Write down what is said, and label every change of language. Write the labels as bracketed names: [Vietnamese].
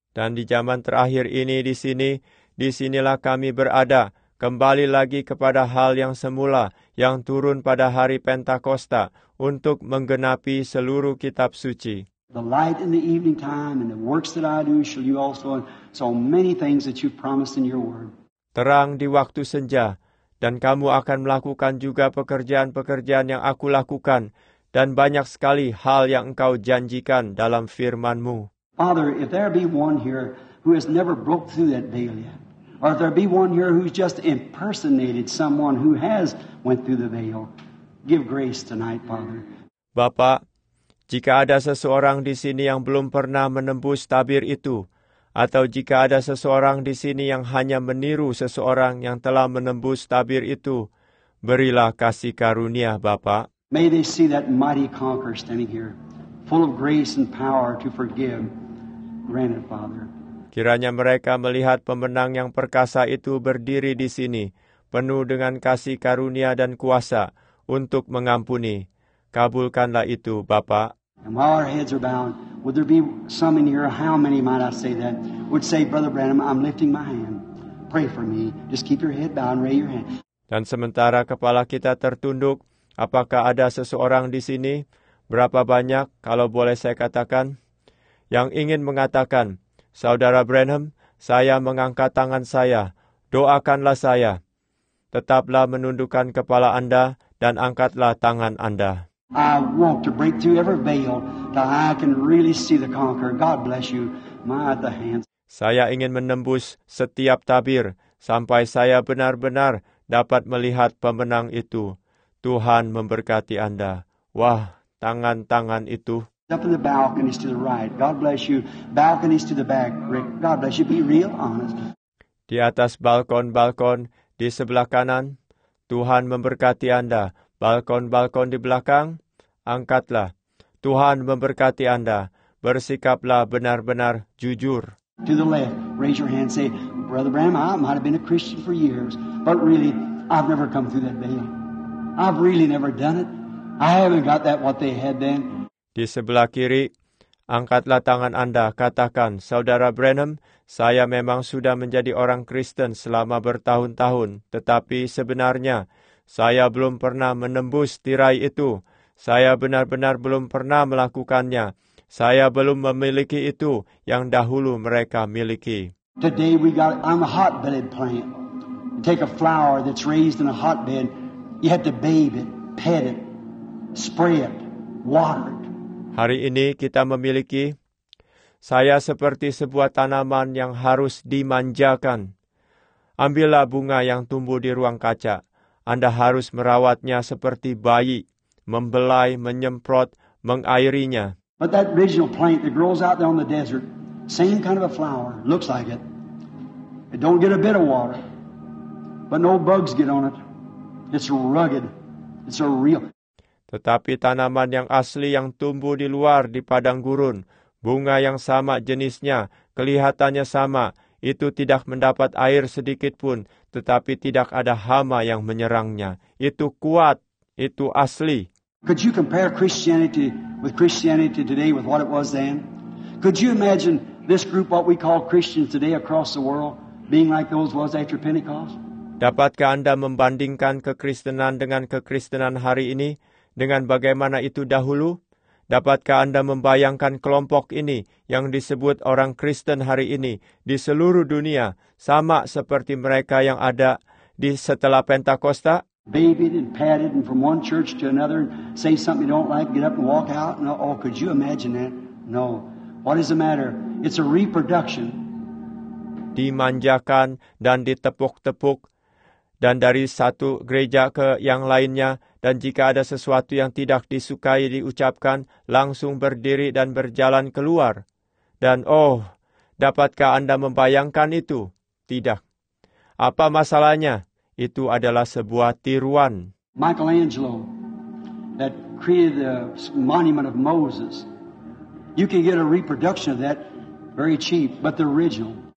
[Indonesian] Dan di zaman terakhir ini di sini, disinilah kami berada, kembali lagi kepada hal yang semula, yang turun pada hari Pentakosta untuk menggenapi seluruh kitab suci. [English] The light in the evening time and the works that I do shall you also so many things that you promised in your word. [Indonesian] Terang di waktu senja, dan kamu akan melakukan juga pekerjaan-pekerjaan yang aku lakukan, dan banyak sekali hal yang engkau janjikan dalam firman-Mu. [English] Father, if there be one here who has never broke through that veil yet, or if there be one here who's just impersonated someone who has went through the veil, give grace tonight, Father. [Indonesian] Bapak, jika ada seseorang di sini yang belum pernah menembus tabir itu, atau jika ada seseorang di sini yang hanya meniru seseorang yang telah menembus tabir itu, berilah kasih karunia, Bapak. [English] May they see that mighty conqueror standing here, full of grace and power to forgive. Grant it, Father. [Indonesian] Kiranya mereka melihat pemenang yang perkasa itu berdiri di sini, penuh dengan kasih karunia dan kuasa untuk mengampuni. Kabulkanlah itu, Bapa. [English] And while our heads are bowed, would there be some in here, how many might I say that, would say, Brother Branham, I'm lifting my hand. Pray for me. Just keep your head bowed and raise your hand. [Indonesian] Dan sementara kepala kita tertunduk, apakah ada seseorang di sini? Berapa banyak, kalau boleh saya katakan, yang ingin mengatakan, Saudara Branham, saya mengangkat tangan saya, doakanlah saya. Tetaplah menundukkan kepala Anda dan angkatlah tangan Anda. [English] I want to break through every veil that I can really see the conqueror. God bless you. My the hands. [Indonesian] Saya ingin menembus setiap tabir sampai saya benar-benar dapat melihat pemenang itu. Tuhan memberkati Anda. Wah, tangan-tangan itu. [English] Up in the balconies to the right. God bless you. Balconies to the back. Rick, God bless you. Be real honest. [Indonesian] Di atas balkon-balkon di sebelah kanan, Tuhan memberkati Anda. Balkon-balkon di belakang, angkatlah. Tuhan memberkati Anda. Bersikaplah benar-benar jujur. [English] To the left, raise your hand. Say, Brother Bram, I might have been a Christian for years, but really, I've never come through that veil. I've really never done it. I haven't got that what they had then. [Indonesian] Di sebelah kiri, angkatlah tangan Anda. Katakan, Saudara Branham, saya memang sudah menjadi orang Kristen selama bertahun-tahun, tetapi sebenarnya saya belum pernah menembus tirai itu. Saya benar-benar belum pernah melakukannya. Saya belum memiliki itu yang dahulu mereka miliki. [English] Today we got, I'm a hotbed plant. Take a flower that's raised in a hotbed. You have to bathe it, pet it, spray it, water it. [Indonesian] Hari ini kita memiliki, saya seperti sebuah tanaman yang harus dimanjakan. Ambillah bunga yang tumbuh di ruang kaca. Anda harus merawatnya seperti bayi, membelai, menyemprot, mengairinya. [English] But that original plant that grows out there on the desert, same kind of a flower, looks like it. It don't get a bit of water, but no bugs get on it. It's rugged. It's a real. [Indonesian] Tetapi tanaman yang asli yang tumbuh di luar di padang gurun, bunga yang sama jenisnya, kelihatannya sama, itu tidak mendapat air sedikit pun, tetapi tidak ada hama yang menyerangnya. Itu kuat, itu asli. [English] Could you compare Christianity with Christianity today with what it was then? Could you imagine this group, what we call Christians today across the world, being like those was after Pentecost? [Indonesian] Dapatkah Anda membandingkan kekristenan dengan kekristenan hari ini? Dengan bagaimana itu dahulu? Dapatkah Anda membayangkan kelompok ini yang disebut orang Kristen hari ini di seluruh dunia sama seperti mereka yang ada di setelah Pentakosta? [English] Babied and padded and from one church to another and say something you don't like, get up and walk out. No, oh, could you imagine that? No. What is the matter? It's a reproduction. [Indonesian] Dimanjakan dan ditepuk-tepuk dan dari satu gereja ke yang lainnya. Dan jika ada sesuatu yang tidak disukai diucapkan, langsung berdiri dan berjalan keluar. Dan oh, dapatkah Anda membayangkan itu? Tidak. Apa masalahnya? Itu adalah sebuah tiruan. [English] Michelangelo that created the monument of Moses. You can get a reproduction of that very cheap, but the original.